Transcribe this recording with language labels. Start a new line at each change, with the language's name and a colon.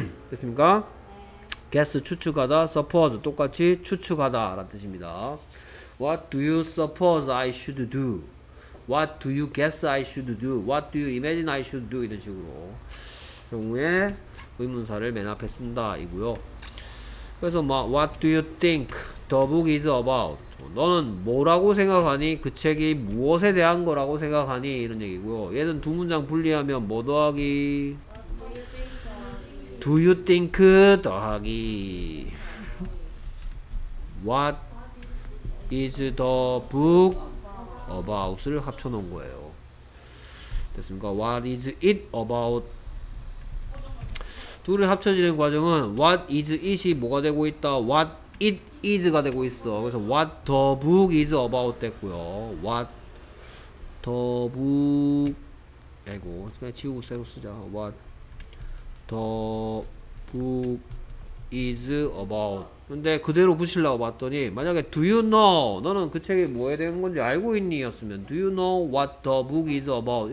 Korean: 됐습니까? Guess 추측하다, suppose 똑같이 추측하다 라는 뜻입니다.
English: What do you suppose I should do? What do you guess I should do? What do you imagine I should do?
Korean: 이런 식으로 경우에 의문사를 맨 앞에 쓴다 이고요. 그래서 막
English: What do you think the book is about?
Korean: 너는 뭐라고 생각하니? 그 책이 무엇에 대한 거라고 생각하니? 이런 얘기고요. 얘는 두 문장 분리하면 뭐 더하기?
English: Do you think
Korean: 더하기
English: What is the book about
Korean: 을 합쳐놓은 거예요. 됐습니까?
English: What is it about?
Korean: 둘을 합쳐지는 과정은
English: What is it
Korean: 이 뭐가 되고 있다?
English: What it is
Korean: 가 되고 있어. 그래서
English: What the book is about
Korean: 됐고요.
English: What the book
Korean: 아이고 그냥 지우고 새로 쓰자.
English: What the book is about.
Korean: 근데 그대로 붙이려고 봤더니 만약에
English: Do you know?
Korean: 너는 그 책이 뭐에 대한 건지 알고 있니? 였으면
English: Do you know what the book is about?